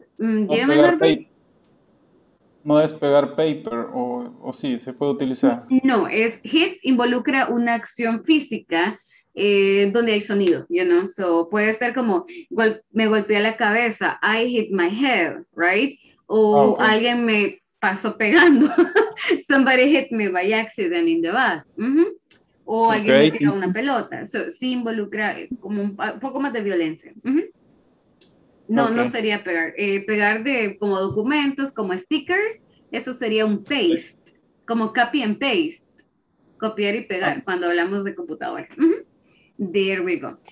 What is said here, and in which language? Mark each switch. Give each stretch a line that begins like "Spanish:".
Spanish: No, no, pegar no es pegar paper, o sí, se puede utilizar. No, es hit involucra una acción física donde hay sonido, you know? So, puede ser como, me golpeé la cabeza.
English: I hit my head, right? O okay.
Spanish: Alguien me pasó pegando.
English: Somebody hit me by accident in the bus.
Spanish: O alguien okay. Me tira una pelota. So, sí involucra como un poco más de violencia. No, okay. No sería pegar. Pegar de como documentos, como stickers, eso sería un paste. Okay. Como copy and paste. Copiar y pegar cuando hablamos de computadora.
English: There we go.